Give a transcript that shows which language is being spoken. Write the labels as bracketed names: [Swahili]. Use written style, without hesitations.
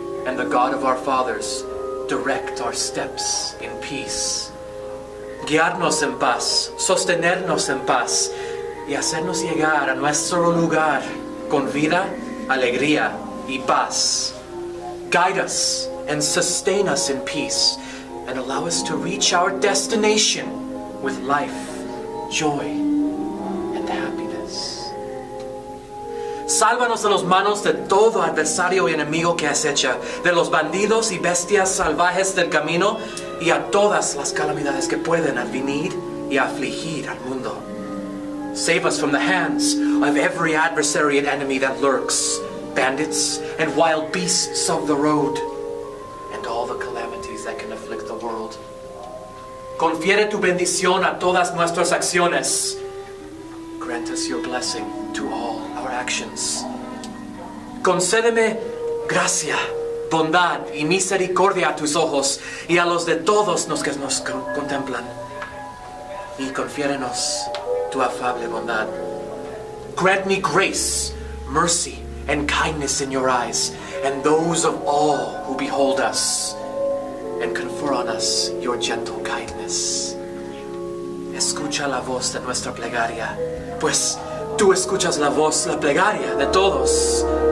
[English] and the God of our fathers, direct our steps in peace. [Spanish] Guiarnos en paz, sostenernos en paz, y hacernos llegar a nuestro lugar con vida, alegría, y paz. [English] Guide us and sustain us in peace, and allow us to reach our destination with life, joy, and happiness. [Spanish] Sálvanos de las manos de todo adversario y enemigo que acecha, de los bandidos y bestias salvajes del camino, y a todas las calamidades que pueden advenir y afligir al mundo. [English] Save us from the hands of every adversary and enemy that lurks, bandits and wild beasts of the road, and all the calamities that can afflict the world. [Spanish] Confiere tu bendición a todas nuestras acciones. [English] Grant us your blessing to all our actions. [Spanish] Concédeme gracia, bondad y misericordia a tus ojos y a los de todos los que nos contemplan. Y confiérenos tu afable bondad. [English] Grant me grace, mercy, and kindness in your eyes, and those of all who behold us, and confer on us your gentle kindness. [Spanish] Escucha la voz de nuestra plegaria, pues tú escuchas la voz, la plegaria de todos.